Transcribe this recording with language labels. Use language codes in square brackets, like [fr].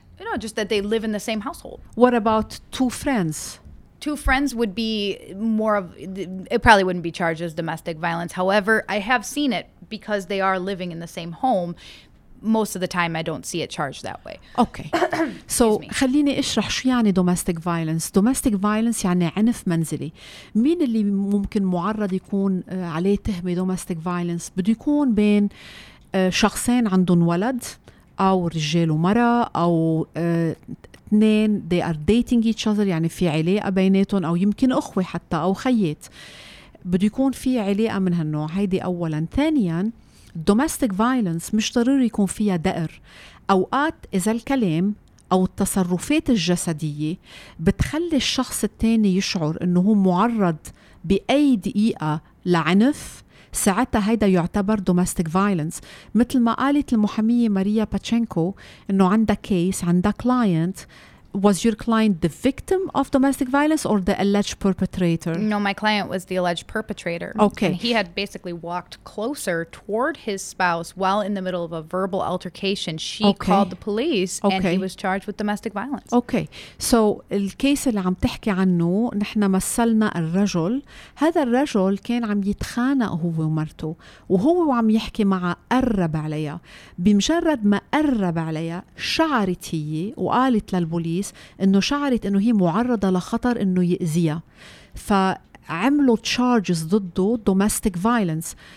[en] No, just that they live in the same household. What about two friends? Two friends would be more of, it probably wouldn't be charged as domestic violence. However, I have seen it because they are living in the same home, most of the time I don't see it charged that way. Okay. So [ar] خليني اشرح شو يعني domestic violence. Domestic violence يعني عنف منزلي. مين اللي ممكن معرض يكون عليه تهمة domestic violence؟ بده يكون بين شخصين عندهم ولد أو رجال ومرة أو اثنين [en] they are dating each other, [ar] يعني في علاقة بيناتهم, أو يمكن أخوة حتى أو خيات. بده يكون في علاقة من هالنوع. هيدي أولا. ثانيا domestic violence مش ضروري يكون فيها دقر. أوقات إذا الكلام أو التصرفات الجسدية بتخلي الشخص التاني يشعر أنه معرض بأي دقيقة لعنف, ساعتها هيدا يعتبر domestic violence. مثل ما قالت المحامية ماريا باتشينكو أنه عندها كيس, عندها client. [en] Was your client the victim of domestic violence or the alleged perpetrator? No, my client was the alleged perpetrator. Okay. And he had basically walked closer toward his spouse while in the middle of a verbal altercation. She okay. called the police okay. and he was charged with domestic violence. Okay. [ar] So, الكيس اللي عم تحكي عنه, نحن مثلنا الرجل. هذا الرجل كان عم يتخانق هو ومرته. وهو عم يحكي معه قرب عليها. بمجرد ما قرب عليها, شعرت هي وقالت للبوليس انه شعرت انه هي معرضة لخطر انه يأذيها, فعملوا charges ضده domestic violence.